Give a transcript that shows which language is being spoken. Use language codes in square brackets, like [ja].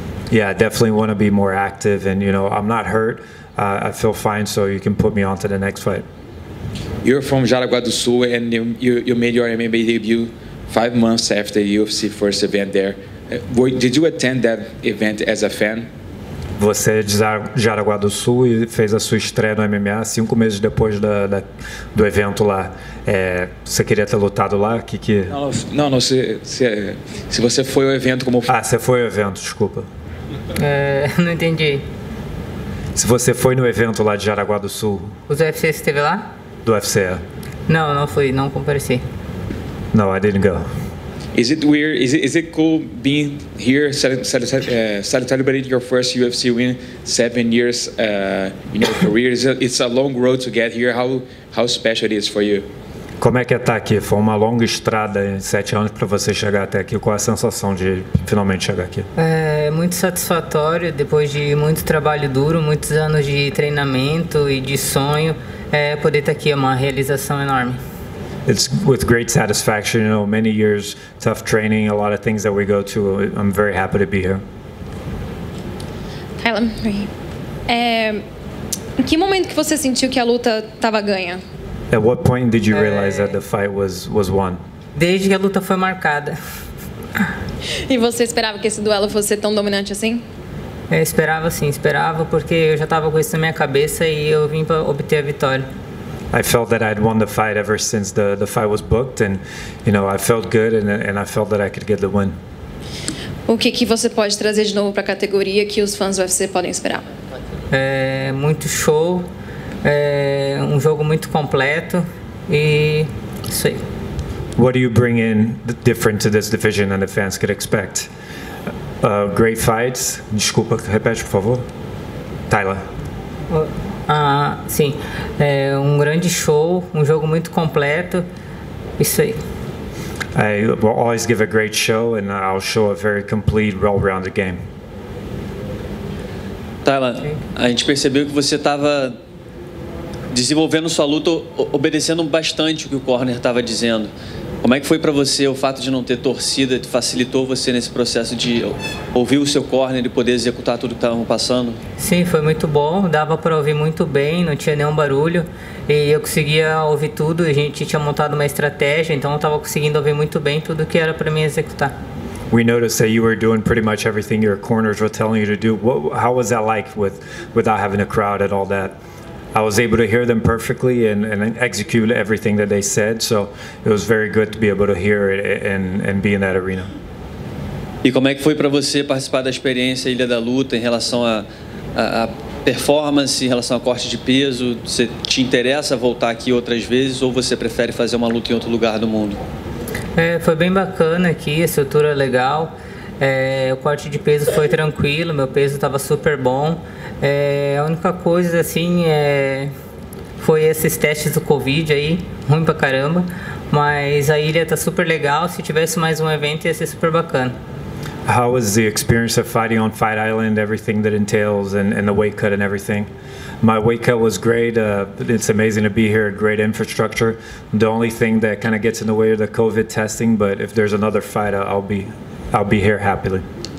[en] Yeah, I definitely want to be more active, and you know, I'm not hurt. I feel fine, so you can put me on to the next fight. You're from Jaraguá do Sul, and you made your MMA debut 5 months after the UFC first event there. Did you attend that event as a fan? [pt] Você é de Jaraguá do Sul e fez a sua estreia no MMA 5 meses depois do evento lá. Você queria ter lutado lá? Não, não, se você foi ao evento como. Ah, você foi ao evento, desculpa. Não entendi. Se você foi no evento lá de Jaraguá do Sul, Os UFC esteve lá? do UFC. Não, não fui, não compareci. [en] No, I didn't go. Is it weird? Is it cool being here celebrating your first UFC win 7 years in your career? It's a long road to get here. How special it is for you? [pt] Como é que tá aqui? Foi uma longa estrada em 7 anos para você chegar até aqui. Qual a sensação de finalmente chegar aqui? É muito satisfatório depois de muito trabalho duro, muitos anos de treinamento e de sonho, poder estar aqui é uma realização enorme. [en] It's with great satisfaction, you know, many years, tough training, a lot of things that we go to. I'm very happy to be here. [pt] Kylan, em que momento que você sentiu que a luta estava ganha? [en] At what point did you realize that the fight was won? [pt] Desde que a luta foi marcada. E você esperava que esse duelo fosse tão dominante assim? Eu esperava sim, esperava, porque eu já estava com isso na minha cabeça e eu vim para obter a vitória. [en] I felt that I'd won the fight ever since the fight was booked, and you know, I felt good, and I felt that I could get the win. [pt] O que que você pode trazer de novo para a categoria que os fãs do UFC podem esperar? Muito show, um jogo muito completo e isso aí. [en] What do you bring in different to this division than the fans could expect? Great fights. [pt] Desculpa, repete, por favor. Tyler. Ah, sim. Um grande show, um jogo muito completo, isso aí. [en] I will always give a great show, and I'll show a very complete, well-rounded game. [pt] Tyler, a gente percebeu que você estava desenvolvendo sua luta, obedecendo bastante o que o corner estava dizendo. Como é que foi para você o fato de não ter torcida, que facilitou você nesse processo de ouvir o seu corner e poder executar tudo que estava passando? Sim, foi muito bom. Dava para ouvir muito bem, não tinha nenhum barulho. E eu conseguia ouvir tudo. A gente tinha montado uma estratégia, então eu estava conseguindo ouvir muito bem tudo que era para mim executar. [en] We noticed that you were doing pretty much everything your corners were telling you to do. How was that like without having a crowd and all that? I was able to hear them perfectly and execute everything that they said, so it was very good to be able to hear it and be in that arena. [pt] E como é que foi para você participar da experiência Ilha da Luta em relação à performance, em relação ao corte de peso? Você te interessa voltar aqui outras vezes ou você prefere fazer uma luta em outro lugar do mundo? Foi bem bacana aqui, a estrutura legal. O corte de peso foi tranquilo, meu peso estava super bom. A única coisa assim foi esses testes do Covid aí, ruim pra caramba. Mas a ilha tá super legal. Se tivesse mais um evento, ia ser super bacana. [en] How was the experience of fighting on Fight Island, everything that entails, and the weight cut and everything? My weight cut was great. It's amazing to be here, great infrastructure. The only thing that kind of gets in the way of the COVID testing, but if there's another fight, I'll be here happily.